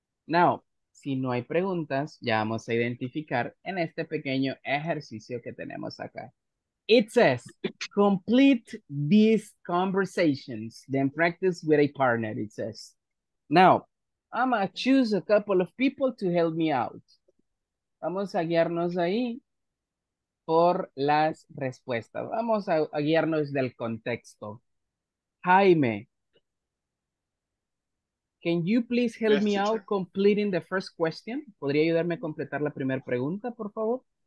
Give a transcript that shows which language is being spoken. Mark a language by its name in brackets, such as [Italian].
[Spanish] Now, si no hay preguntas, ya vamos a identificar en este pequeño ejercicio que tenemos acá. [English] It says, complete these conversations, then practice with a partner, it says. Now, I'm gonna choose a couple of people to help me out. [Spanish] Vamos a guiarnos ahí por las respuestas. Vamos a guiarnos del contexto. [English] Jaime, can you please help me out completing the first question? [Spanish] ¿Podría ayudarme a completar la primera pregunta, por favor?